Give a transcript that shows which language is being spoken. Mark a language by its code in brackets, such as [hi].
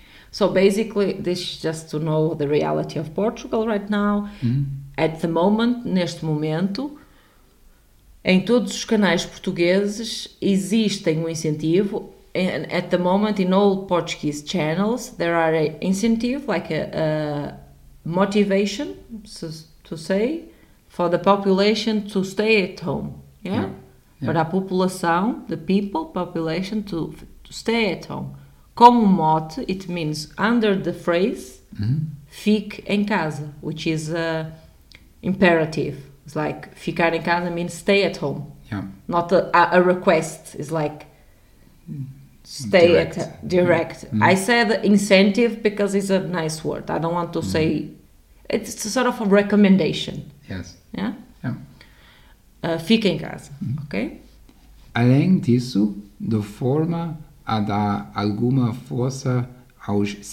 [en] So basically, this is just to know the reality of Portugal right now. Mm-hmm. At the moment, [pt] neste momento, em todos os canais portugueses, existem um incentivo. [en] And at the moment, in all Portuguese channels, there are an incentive, like a motivation, so to say, for the population to stay at home, yeah? Yeah, yeah? [pt] Para a população, [en] the people, population, to stay at home. [pt] Como mote, [en] it means under the phrase, mm-hmm. [pt] Fique em casa, [en] which is imperative. It's like, [pt] ficar em casa [en] means stay at home. Yeah. Not a request, it's like, stay direct. Direct. Mm-hmm. I said incentive because it's a nice word. I don't want to say, it's a sort of a recommendation. Yes. Yeah? Yeah. [pt] Fique em casa, mm-hmm. Ok? Além disso, de forma a dar alguma força aos